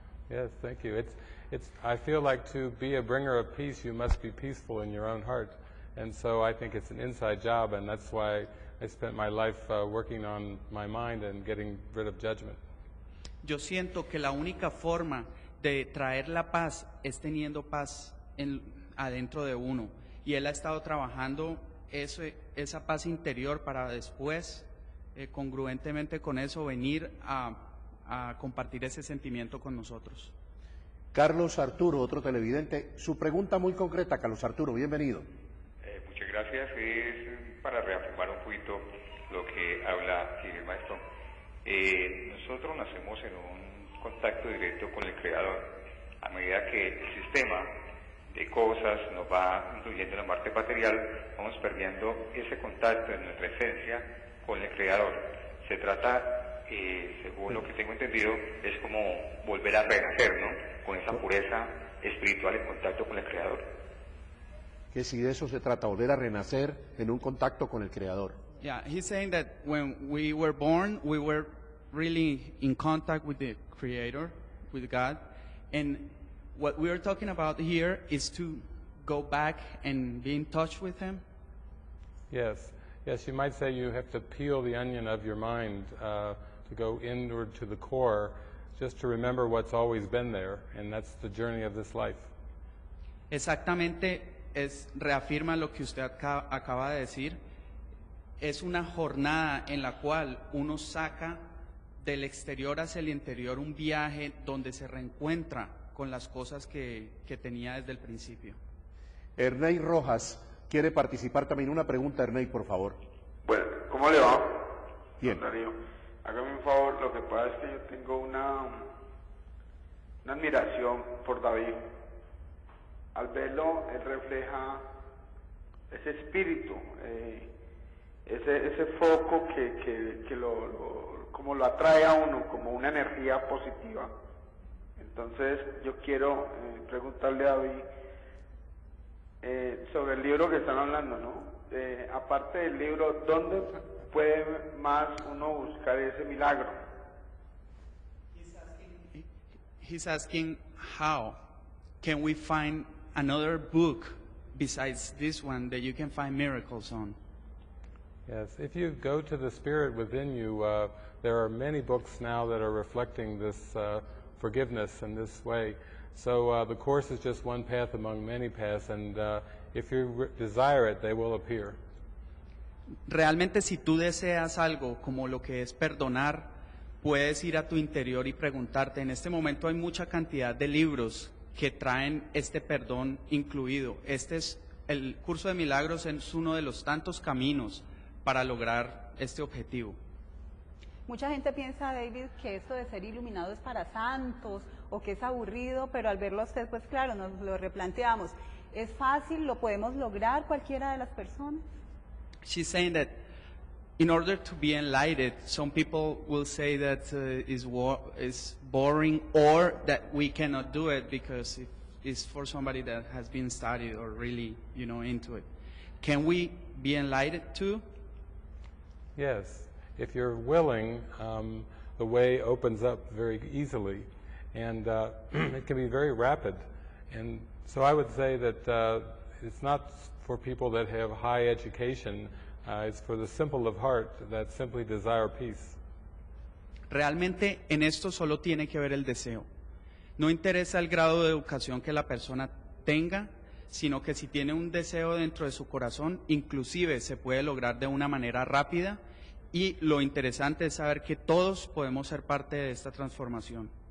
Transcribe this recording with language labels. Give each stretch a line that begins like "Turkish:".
English: Yes, thank you. I feel like to be a bringer of peace, you must be peaceful in your own heart, and so I think it's an inside job, and that's why I spent my life working on my mind and getting rid of judgment.
Spanish: Yo siento que la única forma de traer la paz es teniendo paz adentro de uno. Y él ha estado trabajando esa paz interior para después, congruentemente con eso, venir a compartir ese sentimiento con nosotros. Carlos Arturo, otro televidente. Su pregunta muy concreta, Carlos Arturo, bienvenido. Muchas gracias. Es para reafirmar un poquito lo que habla el maestro. Nosotros nacemos en un contacto directo con el Creador. A medida que el sistema de cosas nos va incluyendo la parte material, vamos perdiendo ese contacto en nuestra esencia con el Creador. Se trata, según lo que tengo entendido, es como volver a renacer, ¿no? Con esa pureza espiritual en contacto con el Creador. Que si de eso se trata, volver a renacer en un contacto con el Creador.
English: Yeah, he's saying that when we were born, we were really in contact with the Creator, with God. And what we are talking about here is to go back and be in touch with Him. Yes. Yes, you might say you have to peel the onion of your mind to go inward to the core, just to remember what's always been there. And that's the journey of this life.
Spanish: Exactamente. Es reafirma lo que usted acaba de decir. Es una jornada en la cual uno saca del exterior hacia el interior, un viaje donde se reencuentra con las cosas que tenía desde el principio. Erney Rojas quiere participar también. Una pregunta, Erney, por favor. Bueno, ¿cómo le va? Bien. Hágame un favor, lo que pasa es que yo tengo una admiración por David. Al verlo, él refleja ese espíritu, ese foco que lo como lo atrae a uno, como una energía positiva. Entonces, yo quiero preguntarle a David sobre el libro que están hablando, ¿no? Aparte del libro, ¿dónde puede más uno buscar ese milagro?
English: He's asking how can we find another book besides this one that you can find miracles on. Yes, if you go to the spirit within you, there are many books now that are reflecting this forgiveness in this way. So the Course is just one path among many paths, and if you desire it, they will appear.
Spanish: Realmente, si tú deseas algo como lo que es perdonar, puedes ir a tu interior y preguntarte. En este momento hay mucha cantidad de libros que traen este perdón incluido. Este es el curso de milagros, es uno de los tantos caminos para lograr este objetivo. Mucha gente piensa, David, que esto de ser iluminado es para santos o que es aburrido, pero al verlo a usted, pues claro, nos lo replanteamos. ¿Es fácil? ¿Lo podemos lograr cualquiera de las personas?
English: She's saying that in order to be enlightened, some people will say that is boring, or that we cannot do it because it's for somebody that has been studied or really, you know, into it. Can we be enlightened too? Yes. If you're willing, the way opens up very easily, and it can be very rapid. And so I would say that it's not for people that have high education. It's for the simple of heart that simply desire peace.
Spanish: Realmente, en esto solo tiene que ver el deseo. No interesa el grado de educación que la persona tenga, sino que si tiene un deseo dentro de su corazón, inclusive se puede lograr de una manera rápida. Y lo interesante es saber que todos podemos ser parte de esta transformación.